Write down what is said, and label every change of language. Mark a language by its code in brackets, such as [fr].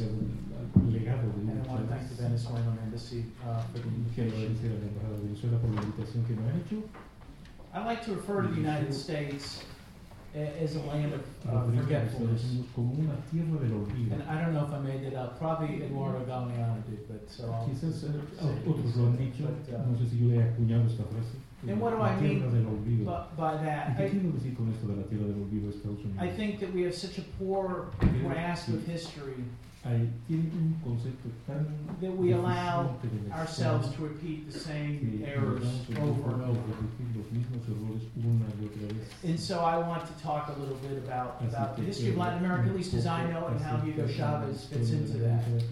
[en] And I want to thank the Venezuelan Embassy for the invitation. I'd like to refer to the United States is a land of forgetfulness. [es] Como una tierra del olvido. [en] And I don't know if I made it up. Probably Eduardo Galeano did, but so I'll [es] quizás [en] say [es] otros lo han dicho. [en] But, [es] no sé si yo le he acuñado esta frase. [en] And what do I mean by that? [es] ¿Y qué quiero decir con esto de la tierra del olvido de Estados Unidos? [en] I think that we have such a poor grasp of history that we allow ourselves to repeat the same errors over and over. And so I want to talk a little bit about the history of Latin America, at least as I know it, and how Hugo Chavez fits into that.